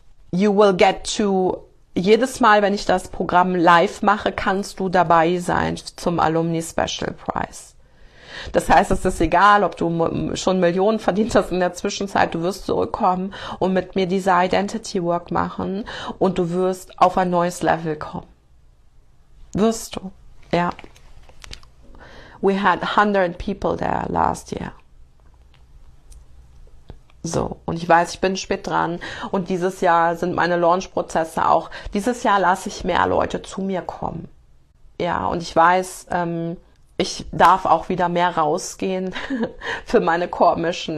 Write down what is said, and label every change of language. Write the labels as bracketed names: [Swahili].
[English] You will get to, [German] jedes Mal, wenn ich das Programm live mache, kannst du dabei sein zum Alumni Special Prize. Das heißt, es ist egal, ob du schon Millionen verdient hast in der Zwischenzeit, du wirst zurückkommen und mit mir diese Identity Work machen und du wirst auf ein neues Level kommen. Wirst du, ja. [English] We had 100 people there last year. [German] So, und ich weiß, ich bin spät dran und dieses Jahr sind meine Launch-Prozesse auch, dieses Jahr lasse ich mehr Leute zu mir kommen. Ja, und ich weiß, ich darf auch wieder mehr rausgehen für meine Core-Mission.